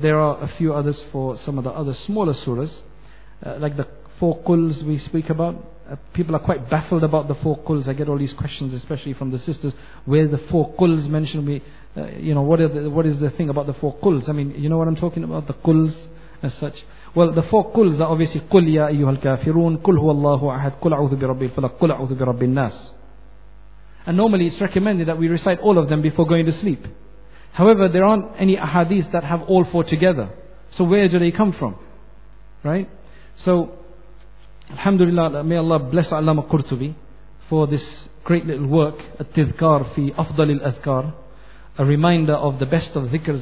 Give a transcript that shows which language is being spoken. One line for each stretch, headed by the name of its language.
English: There are a few others for some of the other smaller surahs, like the four quls we speak about. People are quite baffled about the four quls. I get all these questions, especially from the sisters, where the four quls mentioned. What is the thing about the four quls? I mean, you know what I'm talking about, the quls as such. Well, the four quls are obviously
Arabic: قُلْ يَا أَيُّهَا الْكَافِرُونَ قُلْ هُوَ اللَّهُ أَحَدْ قُلْ أَعُوذُ بِرَبِّ الْفَلَقِ قُلْ أَعُوذُ بِرَبِّ النَّاسِ.
English: And normally it's recommended that we recite all of them before going to sleep. However, there aren't any ahadith that have all four together. So where do they come from? Right? So, alhamdulillah, may Allah bless Allama Qurtubi for this great little work, At-Tidhkar fi Afdal al-Adhkar, a reminder of the best of dhikrs.